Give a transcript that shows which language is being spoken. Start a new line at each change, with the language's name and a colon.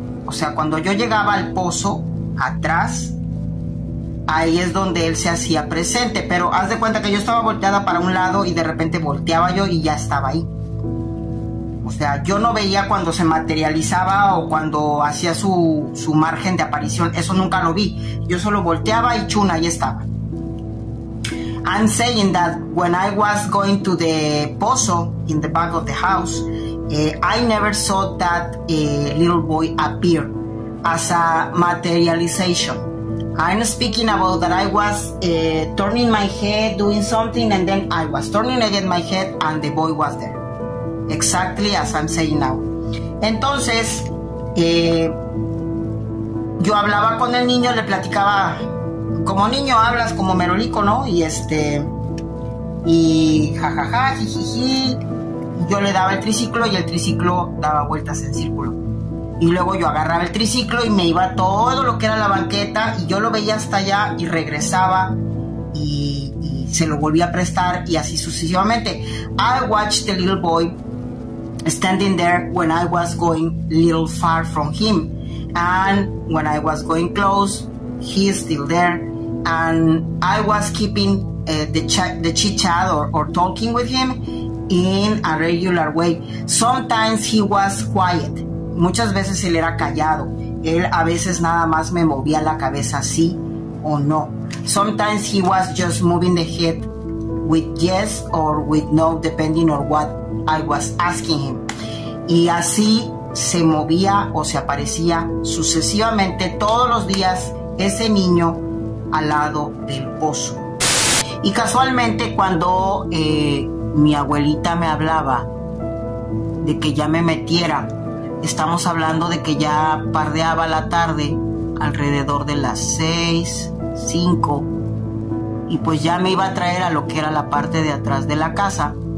Spanish: O sea, cuando yo llegaba al pozo, atrás, ahí es donde él se hacía presente, pero haz de cuenta que yo estaba volteada para un lado y de repente volteaba yo y ya estaba ahí. O sea, yo no veía cuando se materializaba o cuando hacía su margen de aparición, eso nunca lo vi. Yo solo volteaba y chuna, ahí estaba.
English: I'm saying that when I was going to the pozo in the back of the house, I never saw that little boy appear as a materialization. I'm speaking about that I was turning my head, doing something, and then I was turning again my head, and the boy was there. Exactly as I'm saying now.
Spanish: Entonces, yo hablaba con el niño, le platicaba, como niño hablas, como merolico, ¿no? Y jajaja, jijiji, yo le daba el triciclo y el triciclo daba vueltas en círculo. Y luego yo agarraba el triciclo y me iba todo lo que era la banqueta y yo lo veía hasta allá y regresaba y se lo volvía a prestar y así sucesivamente.
English: I watched the little boy standing there when I was going little far from him. And when I was going close, he's still there. And I was keeping the chit-chat or talking with him in a regular way. Sometimes he was quiet.
Spanish: Muchas veces él era callado. Él a veces nada más me movía la cabeza sí o no.
English: Sometimes he was just moving the head with yes or with no, depending on what I was asking him.
Spanish: Y así se movía o se aparecía sucesivamente todos los días ese niño al lado del pozo. Y casualmente cuando mi abuelita me hablaba de que ya me metiera, estamos hablando de que ya pardeaba la tarde, alrededor de las 6, 5, y pues ya me iba a traer a lo que era la parte de atrás de la casa.